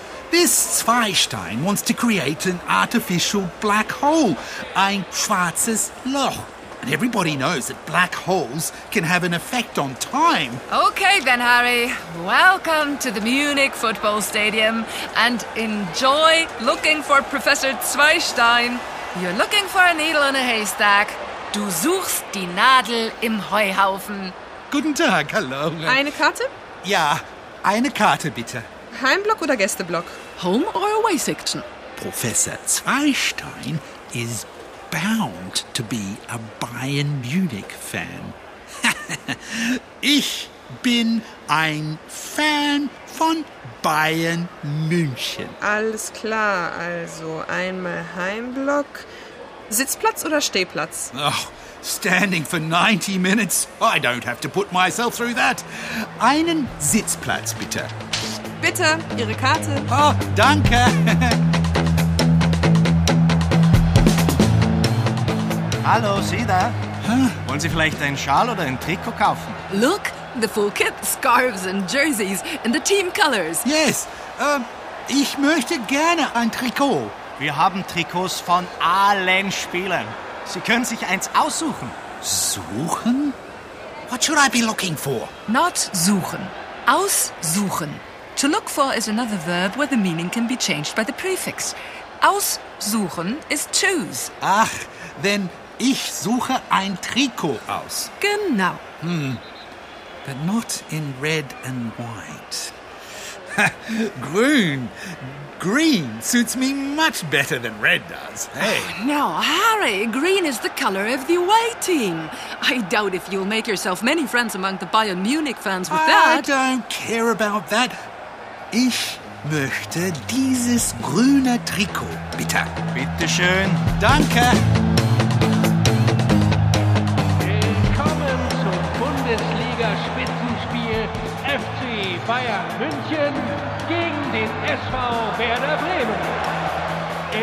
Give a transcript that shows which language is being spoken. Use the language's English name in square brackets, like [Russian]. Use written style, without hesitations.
[English] This Zweistein wants to create an artificial black hole, [German] ein schwarzes Loch. [English] And everybody knows that black holes can have an effect on time. Okay, then, Harry. Welcome to the Munich Football Stadium and enjoy looking for Professor Zweistein. You're looking for a needle in a haystack. [German] Du suchst die Nadel im Heuhaufen. Guten Tag, hallo. Eine Karte? Ja, eine Karte, bitte. Heimblock oder Gästeblock? [English] Home or away section? Professor Zweistein is bound to be a Bayern Munich fan. [German] Ich bin ein Fan von Bayern München. Alles klar, also einmal Heimblock. Sitzplatz oder Stehplatz? [English] Oh, standing for 90 minutes? I don't have to put myself through that. [German] Einen Sitzplatz, bitte. Bitte, Ihre Karte. Oh, danke. Hallo, Sie da? Wollen Sie vielleicht einen Schal oder ein Trikot kaufen? [English] Look, the full kit, scarves and jerseys in the team colors. [German] Yes, ich möchte gerne ein Trikot. Wir haben Trikots von allen Spielern. Sie können sich eins aussuchen. Suchen? [English] What should I be looking for? Not suchen, aussuchen. To look for is another verb where the meaning can be changed by the prefix. Aussuchen is choose. Ach, then [German] ich suche ein Trikot aus. Genau. [English] But not in red and white. [German] Grün. [English] Green suits me much better than red does. Hey. No, Harry, green is the color of the away team. I doubt if you'll make yourself many friends among the Bayern Munich fans with that. I don't care about that. [German] Ich möchte dieses grüne Trikot, bitte. Bitte schön. Danke. Willkommen zum Bundesliga-Spitzenspiel FC Bayern München gegen den SV Werder Bremen.